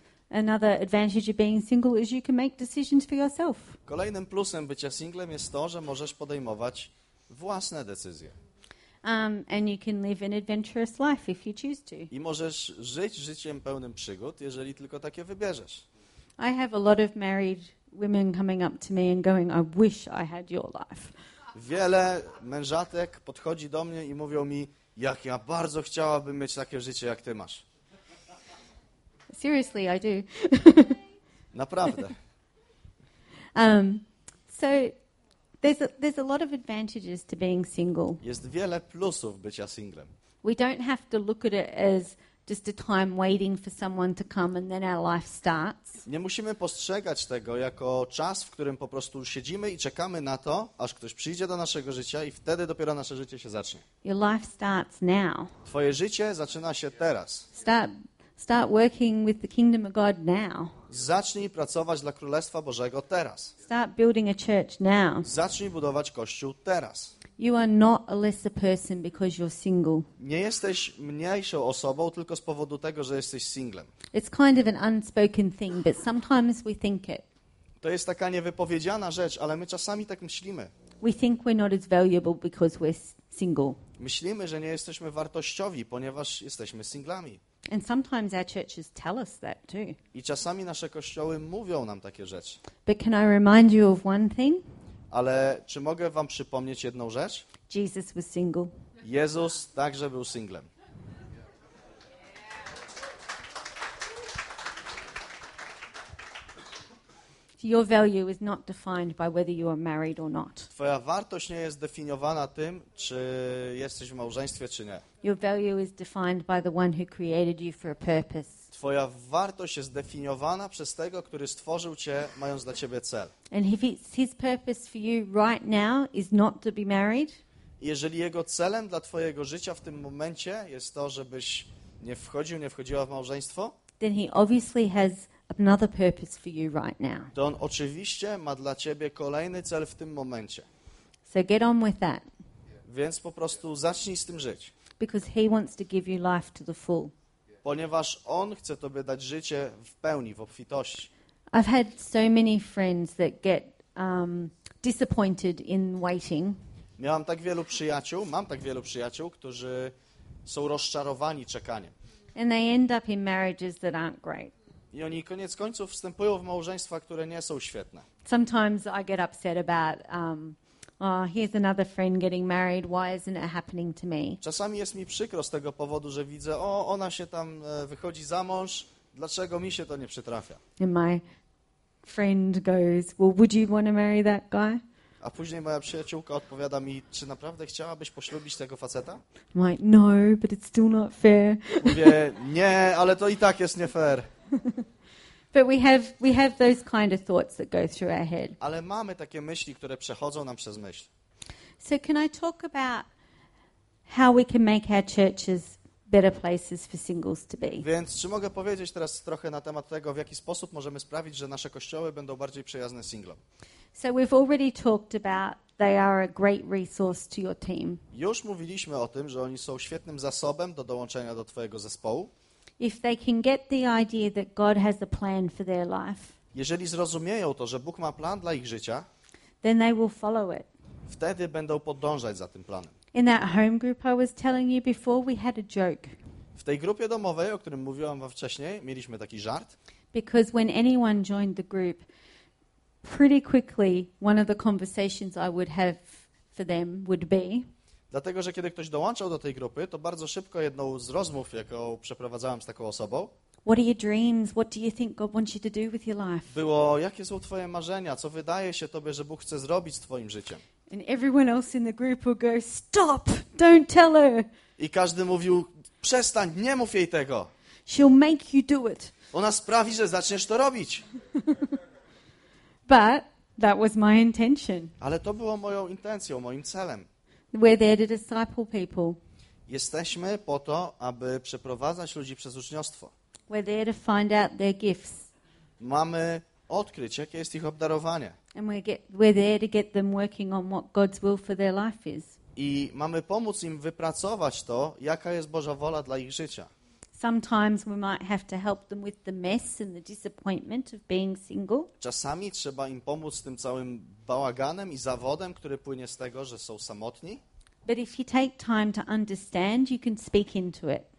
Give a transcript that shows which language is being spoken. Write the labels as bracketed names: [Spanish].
[English] Another advantage of being single is you can make decisions for yourself. [Polish] Kolejnym plusem bycia singlem jest to, że możesz podejmować własne decyzje. [English] And you can live an adventurous life if you choose to. [Polish] I możesz żyć życiem pełnym przygód, jeżeli tylko takie wybierzesz. [English] I have a lot of married women coming up to me and going, I wish I had your life. [Polish] Wiele mężatek podchodzi do mnie i mówią mi, jak ja bardzo chciałabym mieć takie życie, jak ty masz. [English] Seriously, I do. [Polish] Naprawdę. [English] So there's a lot of advantages to being single. [Polish] Jest wiele plusów bycia singlem. [English] We don't have to look at it as just a time waiting for someone to come and then our life starts. [Polish] Nie musimy postrzegać tego jako czas, w którym po prostu siedzimy i czekamy na to, aż ktoś przyjdzie do naszego życia i wtedy dopiero nasze życie się zacznie. [English] Your life starts now. [Polish] Twoje życie zaczyna się teraz. [English] Start working with the kingdom of God now. [Polish] Zacznij pracować dla Królestwa Bożego teraz. [English] Start building a church now. [Polish] Zacznij budować kościół teraz. [English] You are not a lesser person because you're single. [Polish] Nie jesteś mniejszą osobą tylko z powodu tego, że jesteś singlem. [English] It's kind of an unspoken thing, but sometimes we think it. [Polish] To jest taka niewypowiedziana rzecz, ale my czasami tak myślimy. [English] We think we're not as valuable because we're single. [Polish] Myślimy, że nie jesteśmy wartościowi, ponieważ jesteśmy singlami. [English] And sometimes our churches tell us that too. [Polish] I czasami nasze kościoły mówią nam takie rzeczy. [English] But can I remind you of one thing? [Polish] Ale czy mogę wam przypomnieć jedną rzecz? [English] Jesus was single. [Polish] Jezus także był singlem. [English] Your value is not defined by whether you are married or not. [Polish] Twoja wartość nie jest definiowana tym, czy jesteś w małżeństwie, czy nie. [English] Your value is defined by the one who created you for a purpose. [Polish] Twoja wartość jest definiowana przez tego, który stworzył cię, mając dla ciebie cel. [English] And if it's his purpose for you right now is not to be married, [Polish] jeżeli jego celem dla twojego życia w tym momencie jest to, żebyś nie wchodził, nie wchodziła w małżeństwo, [English] then he obviously has another purpose for you right now. [Polish] To on oczywiście ma dla ciebie kolejny cel w tym momencie. [English] So get on with that. [Polish] Więc po prostu zacznij z tym żyć. [English] Because he wants to give you life to the full. [Polish] Ponieważ on chce tobie dać życie w pełni, w obfitości. [English] I've had so many friends that get disappointed in waiting. [Polish] Miałam tak wielu przyjaciół, mam tak wielu przyjaciół, którzy są rozczarowani czekaniem. [English] And they end up in marriages that aren't great. [Polish] I oni koniec końców wstępują w małżeństwa, które nie są świetne. [English] Sometimes I get upset about, here's another friend getting married, why isn't it happening to me? [Polish] Czasami jest mi przykro z tego powodu, że widzę, o, ona się tam wychodzi za mąż, dlaczego mi się to nie przytrafia? [English] And my friend goes, well, would you want to marry that guy? [Polish] A później moja przyjaciółka odpowiada mi, czy naprawdę chciałabyś poślubić tego faceta? [English] I'm like, no, but it's still not fair. [Polish] Mówię, nie, ale to i tak jest nie fair. [English] But we have those kind of thoughts that go through our head. [Polish] Ale mamy takie myśli, które przechodzą nam przez myśl. [English] So can I talk about how we can make our churches better places for singles to be? [Polish] Więc czy mogę powiedzieć teraz trochę na temat tego, w jaki sposób możemy sprawić, że nasze kościoły będą bardziej przyjazne singlom? [English] So we've already talked about they are a great resource to your team. [Polish] Już mówiliśmy o tym, że oni są świetnym zasobem do dołączenia do twojego zespołu. [English] If they can get the idea that God has a plan for their life. [Polish] Jeżeli zrozumieją to, że Bóg ma plan dla ich życia, [English] then they will follow it. [Polish] Wtedy będą podążać za tym planem. [English] In that home group I was telling you before, we had a joke. [Polish] W tej grupie domowej, o którym mówiłam wam wcześniej, mieliśmy taki żart. [English] Because when anyone joined the group, pretty quickly one of the conversations I would have for them would be. [Polish] Dlatego, że kiedy ktoś dołączał do tej grupy, to bardzo szybko jedną z rozmów, jaką przeprowadzałem z taką osobą, [English] what are your dreams? What do you think God wants you to do with your life? [Polish] Było, jakie są twoje marzenia? Co wydaje się tobie, że Bóg chce zrobić z twoim życiem? [English] And everyone else in the group will go, stop, don't tell her. [Polish] I każdy mówił, przestań, nie mów jej tego. [English] She'll make you do it. [Polish] Ona sprawi, że zaczniesz to robić. [English] But that was my intention. [Polish] Ale to było moją intencją, moim celem. [English] We're there to disciple people. [Polish] Jesteśmy po to, aby przeprowadzać ludzi przez uczniostwo. [English] We're there to find out their gifts. [Polish] Mamy odkryć, jakie jest ich obdarowanie. [English] And we're there to get them working on what God's will for their life is. [Polish] I mamy pomóc im wypracować to, jaka jest Boża wola dla ich życia. [English] Sometimes we might have to help them with the mess and the disappointment of being single. [Polish] Czasami trzeba im pomóc tym całym bałaganem i zawodem, który płynie z tego, że są samotni. [English] But if you take time to understand, you can speak into it.